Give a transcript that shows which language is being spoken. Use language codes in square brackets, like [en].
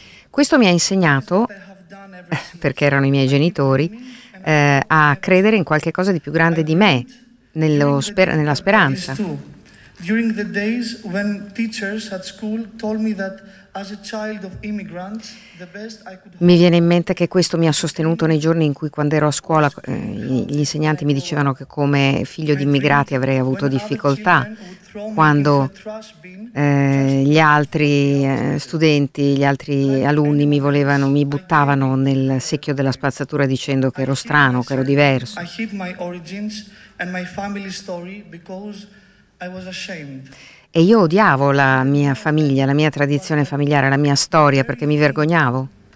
[it] Questo mi ha insegnato, perché erano i miei genitori, a credere in qualche cosa di più grande di me, nella speranza. [en] During the days when teachers at school told me that as a child of immigrants the best I could. [it] Mi viene in mente che questo mi ha sostenuto nei giorni in cui, quando ero a scuola, gli insegnanti mi dicevano che come figlio di immigrati avrei avuto difficoltà, quando gli altri studenti, gli altri alunni mi buttavano nel secchio della spazzatura dicendo che ero strano, che ero diverso. [en] I hid my origins and my family story because I was ashamed. [it] E io odiavo la mia famiglia, la mia tradizione familiare, la mia storia, perché mi vergognavo.